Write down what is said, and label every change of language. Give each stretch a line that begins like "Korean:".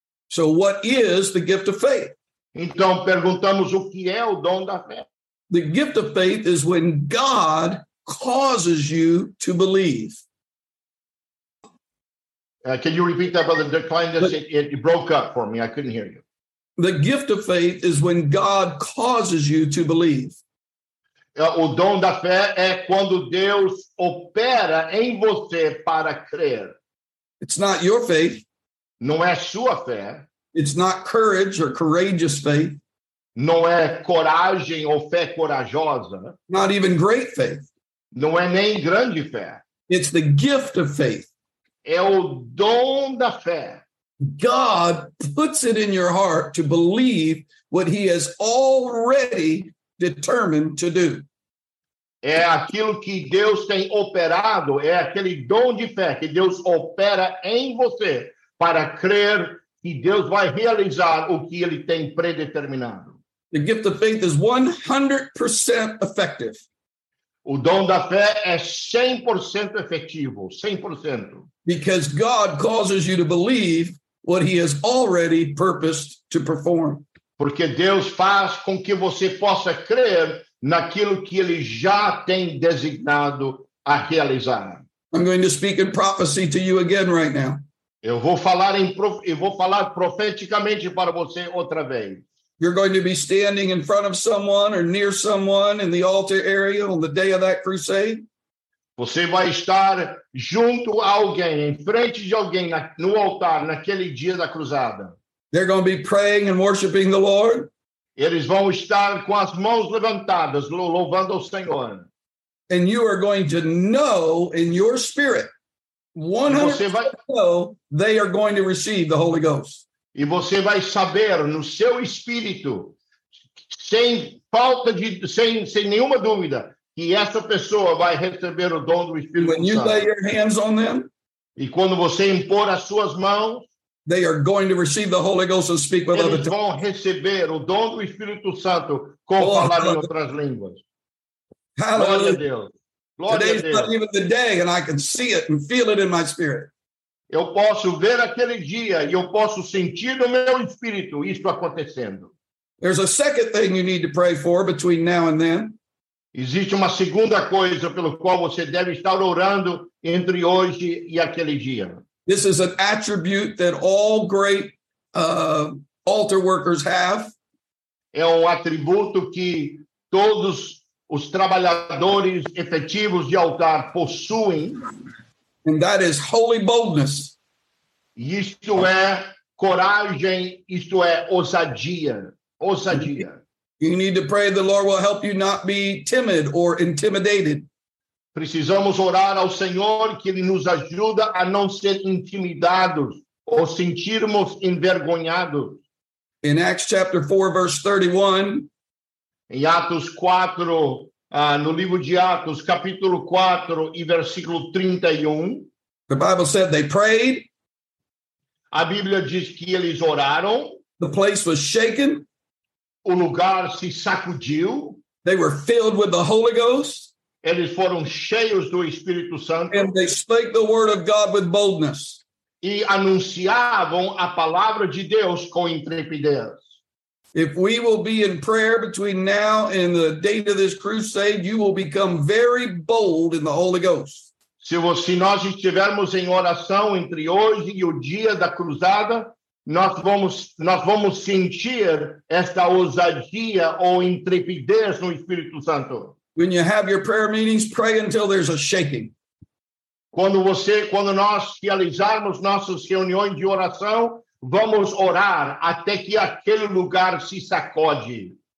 English: So what is the gift of faith?
Portuguese: Então, perguntamos o que é o dom da fé.
English: The gift of faith is when God causes you to believe. Can you repeat that, Brother Decline? It broke up for me. I couldn't hear you. The gift of faith is when God causes you to believe.
Portuguese: O dom da fé é quando Deus opera em você para crer.
English: It's not your faith.
Portuguese: Não é sua fé.
English: It's not courage or courageous faith.
Portuguese: Não é coragem ou fé corajosa.
English: Not even great faith.
Portuguese: Não é nem grande fé.
English: It's the gift of faith.
Portuguese: É o dom da fé.
English: God puts it in your heart to believe what he has already determined to do.
Portuguese: É aquilo que Deus tem operado, é aquele dom de fé que Deus opera em você para crer que Deus vai realizar o que ele tem predeterminado.
English: The gift of faith is 100% effective.
Portuguese: O dom da fé é 100% efetivo, 100%.
English: Because God causes you to believe what he has already purposed to perform.
Portuguese: Porque Deus faz com que você possa crer naquilo que ele já tem designado a realizar.
English: I'm going to speak in prophecy to you again right now.
Portuguese: Eu vou falar profeticamente para você outra vez.
English: You're going to be standing in front of someone or near someone in the altar area on the day of that crusade.
Portuguese: Você vai estar junto a alguém, em frente de alguém no altar naquele dia da cruzada.
English: They're going to be praying and worshiping the Lord.
Portuguese: Eles vão estar com as mãos levantadas, louvando ao Senhor.
English: And you are going to know in your spirit, 100% know they are going to receive the Holy Ghost.
Portuguese: E você vai saber no seu espírito, sem nenhuma dúvida, que essa pessoa vai receber o dom do Espírito Santo.
English: When you lay your hands on them,
Portuguese: e quando você impor as suas mãos,
English: they are going to receive the Holy Ghost and speak with other tongues.
Portuguese: Eles vão receber o dom do Espírito Santo com falar em outras línguas.
English: Hallelujah.
Portuguese: Glória a Deus. Glória a Deus.
English: Today's not even the day, and I can see it and feel it in my spirit.
Portuguese: Eu posso ver aquele dia e eu posso sentir no meu espírito isso acontecendo.
English: There's a second thing you need to pray for between now and then.
Portuguese: Existe uma segunda coisa pelo qual você deve estar orando entre hoje e aquele dia.
English: This is an attribute that all great altar workers have.
Portuguese: É um atributo que todos os trabalhadores efetivos de altar possuem.
English: And that is holy boldness.
Portuguese: Isto é coragem, isto é ousadia, ousadia.
English: You need to pray the Lord will help you not be timid or intimidated.
Portuguese: Precisamos orar ao Senhor que ele nos ajuda a não ser intimidados ou sentirmos envergonhados.
English: In Acts chapter 4, verse 31.
Portuguese: Em Atos 4, no livro de Atos, capítulo 4 e versículo 31.
English: The Bible said they prayed.
Portuguese: A Bíblia diz que eles oraram.
English: The place was shaken.
Portuguese: O lugar se sacudiu.
English: They were filled with the Holy Ghost.
Portuguese: Eles foram cheios do Espírito Santo.
English: And they spake the word of God with boldness.
Portuguese: E anunciavam a palavra de Deus com intrepidez.
English: If we will be in prayer between now and the date of this crusade, you will become very bold in the Holy Ghost.
Portuguese: Se nós estivermos em oração entre hoje e o dia da cruzada, Nós vamos sentir esta ousadia ou intrepidez no Espírito Santo.
English: When you have your prayer meetings, pray until there's a shaking.
Portuguese: Quando nós realizarmos nossas reuniões de oração, vamos orar até que aquele lugar se sacode.